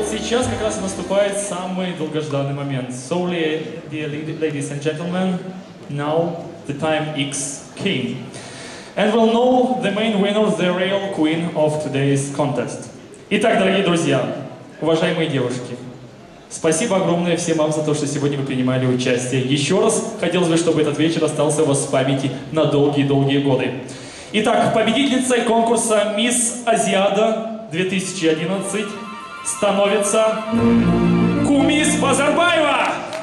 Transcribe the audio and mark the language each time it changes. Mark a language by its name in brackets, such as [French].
[Russian] сейчас как раз наступает самый долгожданный момент. [English] So, ladies and gentlemen, now the time X came. And we'll know the main winner, the real queen of today's contest. [Russian] Итак, дорогие друзья, уважаемые девушки, спасибо огромное всем вам за то, что сегодня вы принимали участие. Еще раз хотелось бы, чтобы этот вечер остался у вас в памяти на долгие-долгие годы. Итак, победительницей конкурса «Мисс Азиада 2011» становится Кумис Базарбаева!